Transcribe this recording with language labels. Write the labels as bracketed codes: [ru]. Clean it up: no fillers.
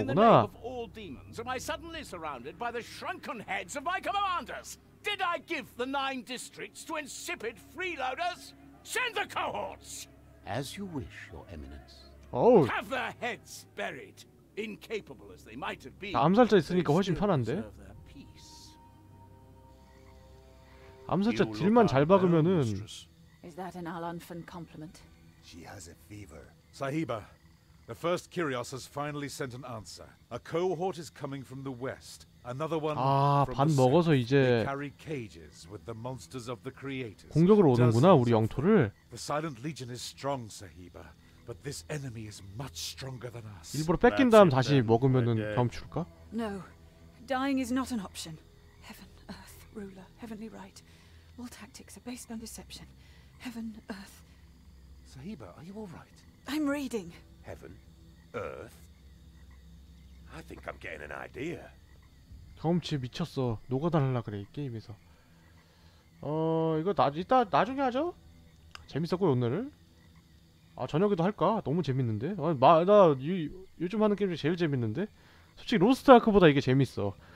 [en] In the name of all demons, am I suddenly surrounded by the shrunken heads of my commanders? Did I give the nine districts to insipid freeloaders? Send the cohorts! As you wish, your eminence. Oh. Have their heads buried, incapable as they might have been. [ko] 암살자 있으니까 훨씬 편한데. 암살자 딜만 잘 박으면은. [en] Is that an Alanfan compliment? She has a fever. Sahiba, the first Kyrios has finally sent an answer. A cohort is coming from the west. Another one. [ko] 아, 밥 먹어서 이제 [en] carry cages with the monsters of the creators. [ko] 공격을 오는구나 우리 영토를. [en] The Silent Legion is strong, Sahiba, but this enemy is much stronger than us. [ko] 일부러 뺏긴 다음 다시 먹으면은 경출까? [en] No. Dying is not an option. Heaven, earth, ruler, heavenly right. All tactics are based on deception. Heaven, earth. Sahiba, are you all right? I'm reading. Heaven, earth. I think I'm getting an idea. [ko] 경험치 미쳤어. 녹아달라 그래 이 게임에서. 이거 이따 나중에 하죠. 재밌었고요 오늘. 아 저녁에도 할까? 너무 재밌는데. 아, 나 요즘 하는 게임 중에 제일 재밌는데. 솔직히 로스트 아크보다 이게 재밌어.